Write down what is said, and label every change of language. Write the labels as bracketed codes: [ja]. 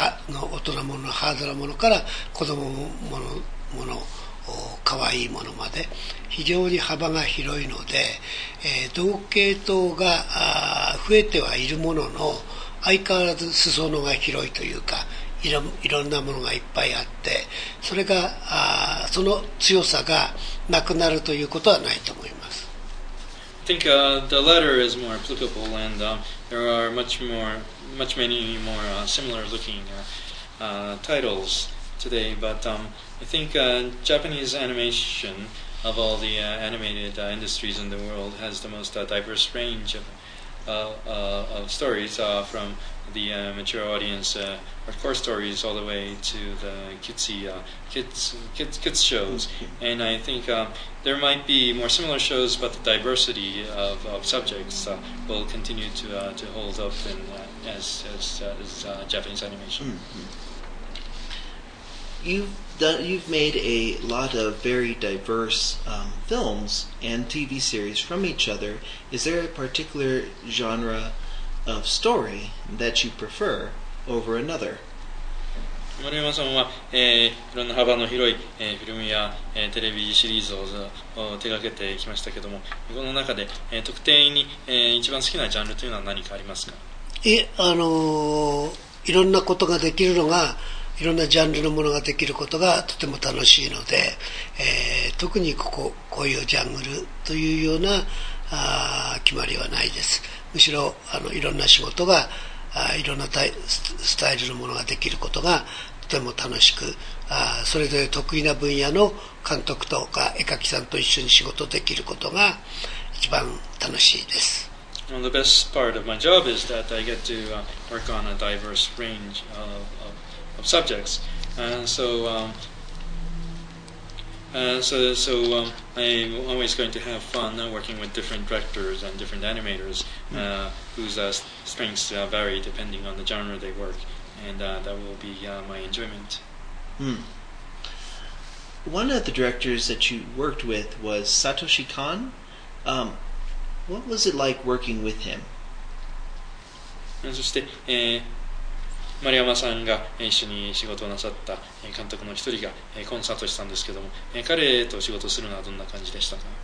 [ja] の大人ものハードなものから子供ものかわいいものまで非常に幅が広いので、同系統が増えてはいるものの相変わらず裾野が広いというか、いろんなものがいっぱいあって、それがその強さがなくなるということはないと思います。 [en] I think the latter is more applicable, and there are much many more similar looking titles today, but I think Japanese animation of all the animated industries in the world has the most diverse range of stories fromthe mature audience hardcore stories all the way to the kids shows. And I think there might be more similar shows, but the diversity of subjects will continue to hold up in, as Japanese animation. Mm-hmm. You've made a lot of very diverse films and TV series from each other. Is there a particular genreof story that you prefer over another? [ja] 丸山さんは、いろんな幅の広い、フィルムや、テレビシリーズを手掛けてきましたけども、この中で、特定に、一番好きなジャンルというのは何かありますか？いろんなことができるのが、いろんなジャンルのものができることがとても楽しいので、特にこういうジャングルというような決まりはないです。むしろいろんな仕事がいろんなスタイルのものができることがとても楽しく、それぞれ得意な分野の監督とか絵描きさんと一緒に仕事できることが一番楽しいです。 [en] Well, the best part of my job is that I get to work on a diverse range of subjects. And so, So I'm always going to have fun working with different directors and different animators whose strengths vary depending on the genre they work, and that will be my enjoyment. Mm. One of the directors that you worked with was Satoshi Kon. What was it like working with him? [ja] そして、丸山さんが一緒に仕事をなさった監督の一人が、コンサートしたんですけども、彼と仕事するのはどんな感じでしたか？